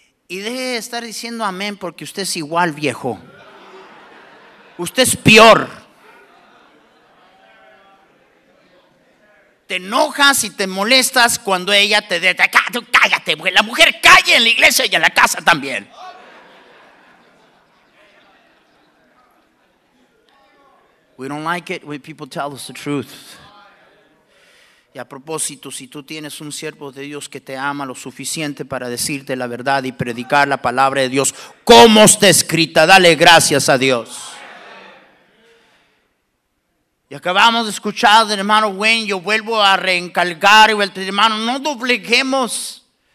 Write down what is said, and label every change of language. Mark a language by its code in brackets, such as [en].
[es] Y deje de estar diciendo amén porque usted es igual, viejo. Usted es peor. Te enojas y te molestas cuando ella te dice, cállate, mujer. La mujer calla en la iglesia y en la casa también. [en] We don't like it when people tell us the truth. [es] Y a propósito, si tú tienes un siervo de Dios que te ama lo suficiente para decirte la verdad y predicar la palabra de Dios como está escrita, dale gracias a Dios. Y acabamos de escuchar del hermano Wayne, yo vuelvo a reencalgar, hermano, no dobleguemos.